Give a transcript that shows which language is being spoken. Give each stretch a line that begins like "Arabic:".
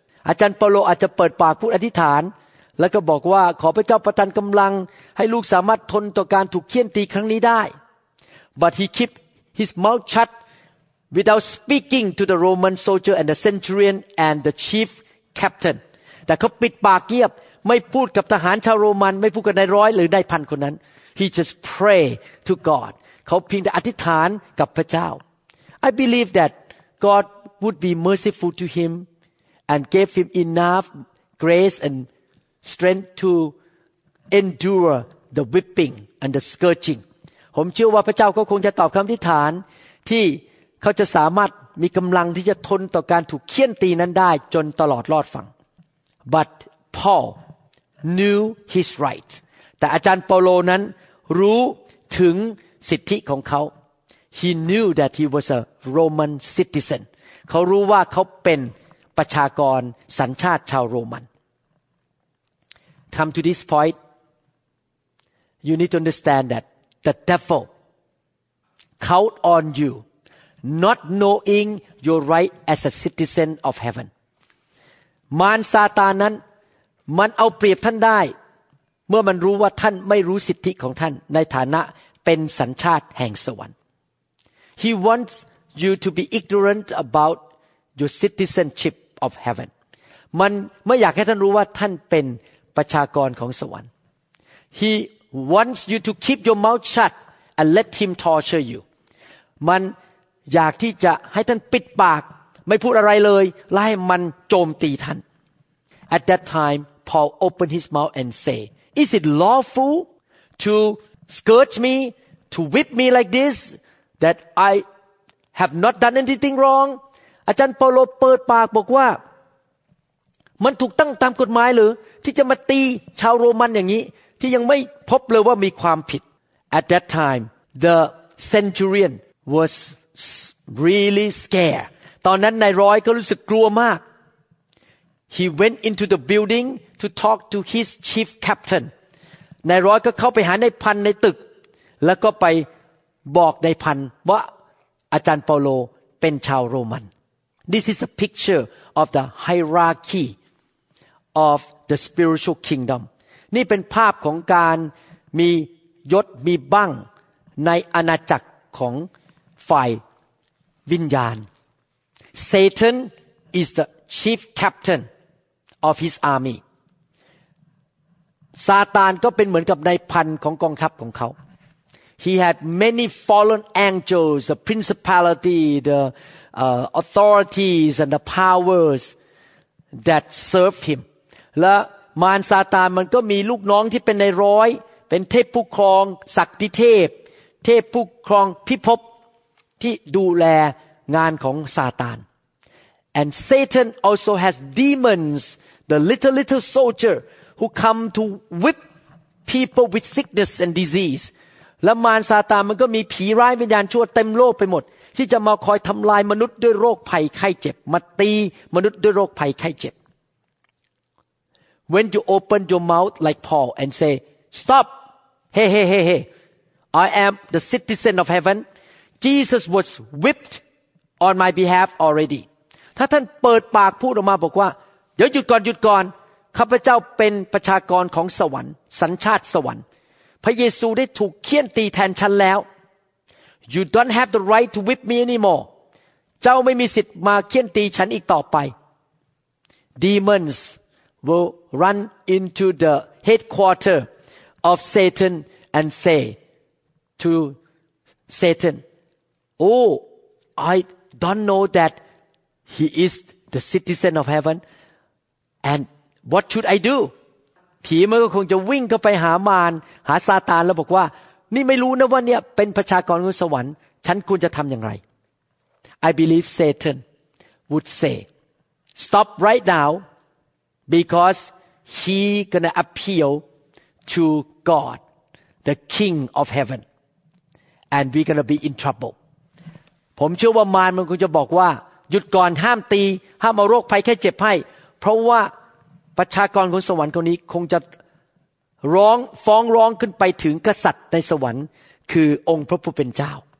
Thai: อาจารย์เปาโลอาจจะเปิดปากพูดอธิษฐานแล้วก็บอกว่าขอพระเจ้าประทานกำลังให้ลูกสามารถทนต่อการถูกเฆี่ยนตีครั้งนี้ได้
English: But he kept his mouth shut without speaking to the Roman soldier and the centurion and the chief captain.
Thai: แต่เขาปิดปากเงียบไม่พูดกับทหารชาวโรมันไม่พูดกับนายร้อยหรือนายพันคนนั้น
English: He just pray to God
Thai: เขาเพียงแต่อธิษฐานกับพระเจ้า
English: I believe that God would be merciful to him and gave him enough grace and strength to endure the whipping and the scourging.
Thai: ผมเชื่อว่าพระเจ้าก็คงจะตอบคำอธิษฐานที่เขาจะสามารถมีกำลังที่จะทนต่อการถูกเคี่ยนตีนั้นได้จนตลอดรอดฝั่ง
English: But Paul knew his right.
Thai: แต่อาจารย์เปาโลนั้นรู้ถึงสิทธิของเขา
English: He knew that he was a Roman citizen.
Thai: เขารู้ว่าเขาเป็นประชากรสัญชาติชาวโรมัน
English: Come to this point. You need to understand that the devil count on you not knowing your right as a citizen of heaven.
Thai: มารซาตานนั้นมันเอาเปรียบท่านได้เมื่อมันรู้ว่าท่านไม่รู้สิทธิของท่านในฐานะเป็นสัญชาติแห่งสวรรค์
English: He wants you to be ignorant about your citizenship of heaven.
Thai: มันไม่อยากให้ท่านรู้ว่าท่านเป็นประชากรของสวรรค์
English: He wants you to keep your mouth shut and let him torture you.
Thai: มันอยากที่จะให้ท่านปิดปากไม่พูดอะไรเลยและให้มันโจมตีท่าน
English: At that time, Paul opened his mouth and said, "Is it lawful to scourge me, to whip me like this, that I have not done anything wrong?"
Thai: อาจารย์เปาโลเปิดปากบอกว่ามันถูกตั้งตามกฎหมายหรือที่จะมาตีชาวโรมันอย่างนี้ที่ยังไม่พบเลยว่ามีความผิด
English: At that time, the centurion was really scared.
Thai: ตอนนั้นนายร้อยก็รู้สึกกลัวมาก
English: He went into the building to talk to his chief captain.
Thai: นายร้อยก็เข้าไปหานายพันในตึกแล้วก็ไปบอกนายพันว่าอาจารย์เปาโลเป็นชาวโรมัน
English: This is a picture of the hierarchy of the spiritual kingdom.
Thai: นี่เป็นภาพของการมียศมีบั้งในอาณาจักรของฝ่ายวิญญาณ
English: Satan is theChief captain of his army.
Thai: Satan ก็เป็นเหมือนกับนายพันของกองทัพของเขา
English: He had many fallen angels, the principality, the authorities, and the powers that served him.
Thai: และมารซาตานมันก็มีลูกน้องที่เป็นนายร้อยเป็นเทพผู้ครองศักดิ์เทพเทพผู้ครองพิภพที่ดูแลงานของซาตาน
English: And Satan also has demons, the little soldier who come to whip people with sickness and disease.
Thai: และมารซาตานมันก็มีผีร้ายวิญญาณชั่วเต็มโลกไปหมดที่จะมาคอยทำลายมนุษย์ด้วยโรคภัยไข้เจ็บมาตีมนุษย์ด้วยโรคภัยไข้เจ็บ
English: When you open your mouth like Paul and say, "Stop! Hey! I am the citizen of heaven. Jesus was whipped on my behalf already."
Thai: ถ้าท่านเปิดปากพูดออกมาบอกว่าเดี๋ยวหยุดก่อนข้าพเจ้าเป็นประชากรของสวรรค์สัญชาติสวรรค์พระเยซูได้ถูกเคี่ยนตีแทนฉันแล้ว
English: You don't have the right to whip me anymore
Thai: เจ้าไม่มีสิทธิ์มาเคี่ยนตีฉันอีกต่อไป
English: Demons will run into the headquarters of Satan and say to Satan Oh I don't know thatHe is the citizen of heaven. And what should I do?
Thai: ผีมันก็คงจะวิ่งเข้าไปหามารหาซาตานแล้วบอกว่านี่ไม่รู้นะว่าเนี่ยเป็นประชากรของสวรรค์ฉันควรจะทำอย่างไร
English: I believe Satan would say, Stop right now because he gonna appeal to God, the King of heaven. And we gonna be in trouble.
Thai: ผมเชื่อว่ามารมันคงจะบอกว่าหยุดก่อนห้ามตีห้ามเอาโรคภัยแค่เจ็บให้เพราะว่าประชากรของสวรรค์คนนี้คงจะร้องฟ้องร้องขึ้นไปถึงกษัตริย์ในสวรรค์คือองค์พระผู้เป็นเจ้า